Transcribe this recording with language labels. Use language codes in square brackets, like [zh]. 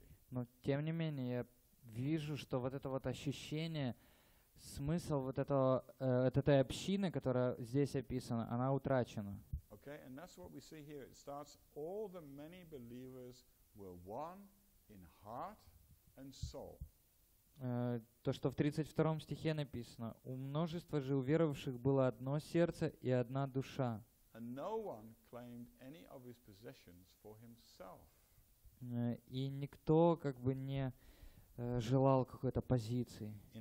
[ru] Но тем не менее, я вижу, что вот это вот ощущение, смысл вот этого, от этой общины, которая здесь описана, она утрачена. [en] Okay, and that's what we see here. It starts, all the many believers were one in heart and soul. [ru] То, что в 32 стихе написано, у множества же уверовавших было одно сердце и одна душа. И никто как бы не желал какой-то позиции.